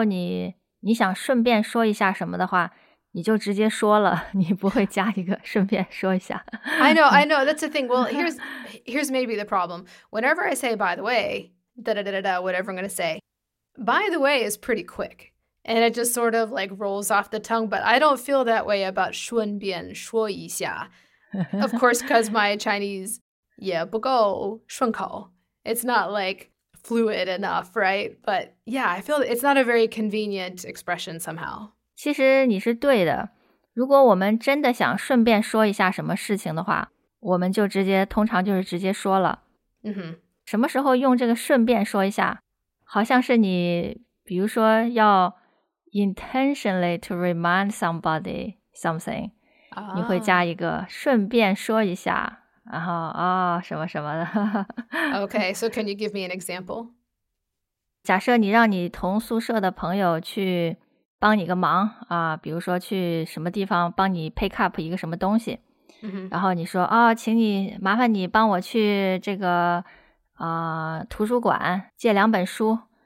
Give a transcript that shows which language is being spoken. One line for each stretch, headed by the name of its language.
Chinese: 这个也还是挺常用的,但是因为如果有的时候你想顺便说一下什么的话, 你就直接说了,你不会加一个顺便说一下。
English: I know, that's the thing. Well, here's maybe the problem. Whenever I say, by the way, da-da-da-da-da, whatever I'm going to say, by the way is pretty quick. And it just sort of like rolls off the tongue. But I don't feel that way about
Chinese: 顺便说一下.
English: Of course, because my Chinese
Chinese: 也不够顺口.
English: It's not like fluid enough, right? But yeah, I feel it's not a very convenient expression somehow.
Chinese: 其实你是对的,如果我们真的想顺便说一下什么事情的话,我们就直接通常就是直接说了。什么时候用这个顺便说一下,好像是你比如说要
English: intentionally to remind somebody something,
Chinese: 你会加一个顺便说一下，然后啊、哦、什么什么的。
English: Okay, so can you give me an example?
Chinese: 假设你让你同宿舍的朋友去帮你个忙啊，比如说去什么地方帮你 pick up 一个什么东西。 Mm-hmm. 然后你说啊、哦、请你麻烦你帮我去这个图书馆借两本书、